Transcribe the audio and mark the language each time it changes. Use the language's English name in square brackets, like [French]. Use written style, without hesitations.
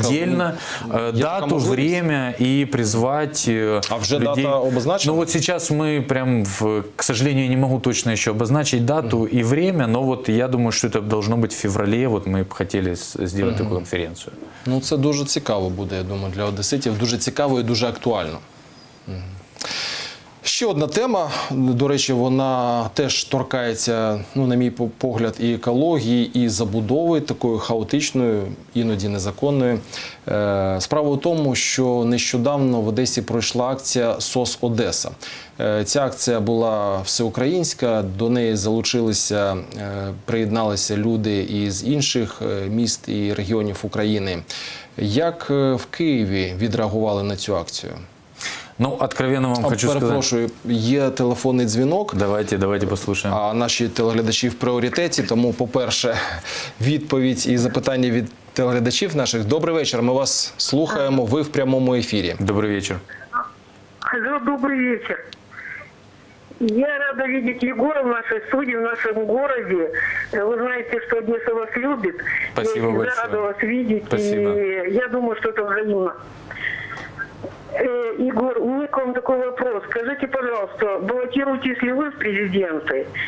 [Russian] отдельно дату, время и призвать [Ukrainian] а вже [Russian] людей. Дата обозначена? Ну вот сейчас мы прям, к сожалению, не могу точно еще обозначить дату и время, но вот я думаю, что это должно быть в феврале, вот мы хотели сделать такую конференцию. [Ukrainian] Ну, це дуже цікаво буде, я думаю, для одеситів. Дуже цікаво і дуже актуально. Ще одна тема, до речі, вона теж торкається, ну, на мій погляд, і екології, і забудови такої хаотичної, іноді незаконної. Справа у тому, що нещодавно в Одесі пройшла акція «СОС Одеса». Ця акція була всеукраїнська, до неї залучилися, приєдналися люди із інших міст і регіонів України. Як в Києві відреагували на цю акцію? Ну, откровенно вам хочу сказати. Перепрошую, є телефонний дзвінок. Давайте послухаємо. А наші телеглядачі в пріоритеті, тому, по-перше, відповідь і запитання від телеглядачів наших. Добрий вечір, ми вас слухаємо, ви в прямому ефірі. Добрий вечір. Алло, добрий вечір. [Russian] Я рада видеть Егора в нашей студии, в нашем городе. Вы знаете, что Одесса вас любит. Спасибо я большое. Я рада вас видеть. Спасибо. И я думаю, что это взаимно. Егор, у меня к вам такой вопрос. Скажите, пожалуйста, баллотируетесь ли вы в президенты?